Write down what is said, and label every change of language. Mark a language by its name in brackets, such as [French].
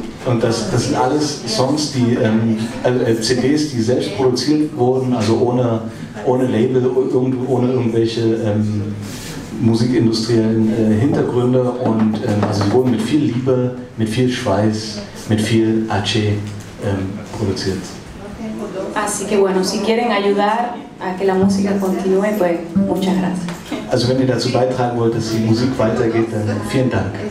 [German] Und das sind alles Songs, die CDs, die selbst produziert wurden, also ohne Label, ohne irgendwelche musikindustriellen Hintergründe. Und also sie wurden mit viel Liebe, mit viel Schweiß, mit viel Aché produziert. [Spanish] Así que bueno, si quieren ayudar a que la música continúe, pues muchas gracias. [German] Also wenn ihr dazu beitragen wollt, dass die Musik weitergeht, dann vielen Dank.